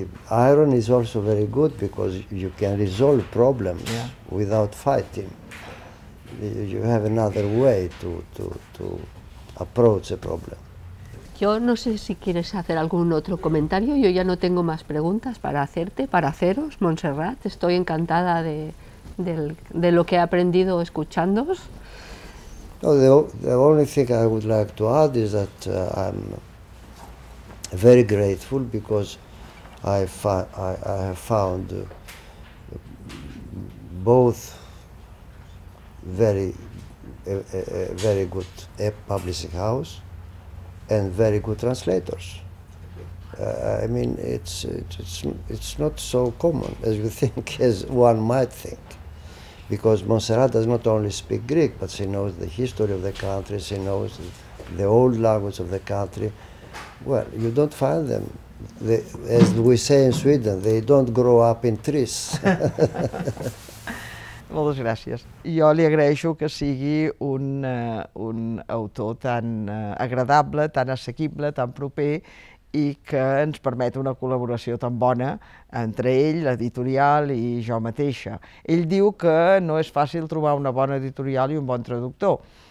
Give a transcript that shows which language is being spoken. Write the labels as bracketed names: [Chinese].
[English] Iron is also very good because you can resolve problems without fighting. You have another way to approach a problem. [Spanish] Yo no sé si quieres hacer algún otro comentario, yo ya no tengo más preguntas para hacerte, para haceros, Montserrat. Estoy encantada de lo que he aprendido escuchándoos. [English] No, the only thing I would like to add is that I'm very grateful because I have found both very good publishing house and very good translators. I mean, it's not so common as you think, as one might think. Because Montserrat does not only speak Greek, but she knows the history of the country, she knows the old language of the country. Well, you don't find them. As we say in Sweden, they don't grow up in trees. [Catalan] Moltes gràcies. Jo li agraeixo que sigui un autor tan agradable, tan assequible, tan proper, i que ens permet una col·laboració tan bona entre ell, l'editorial, i jo mateixa. Ell diu que no és fàcil trobar una bona editorial i un bon traductor.